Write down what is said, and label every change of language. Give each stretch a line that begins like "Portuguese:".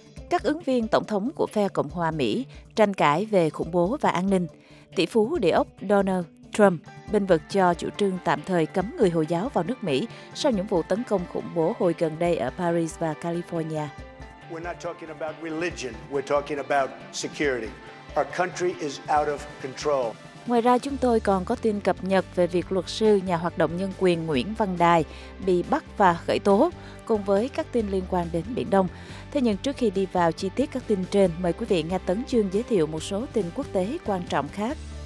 Vietnamese: Các ứng viên tổng thống của phe Cộng hòa Mỹ tranh cãi về khủng bố và an ninh. Tỷ phú địa ốc Donald Trump bênh vực cho chủ trương tạm thời cấm người Hồi giáo vào nước Mỹ sau những vụ tấn công khủng bố hồi gần đây ở Paris và California.
English: We're not talking about religion, we're talking about security. Our country is out of control.
Vietnamese: Ngoài ra, chúng tôi còn có tin cập nhật về việc luật sư, nhà hoạt động nhân quyền Nguyễn Văn Đài bị bắt và khởi tố, cùng với các tin liên quan đến Biển Đông. Thế nhưng trước khi đi vào chi tiết các tin trên, mời quý vị nghe Tấn Chương giới thiệu một số tin quốc tế quan trọng khác.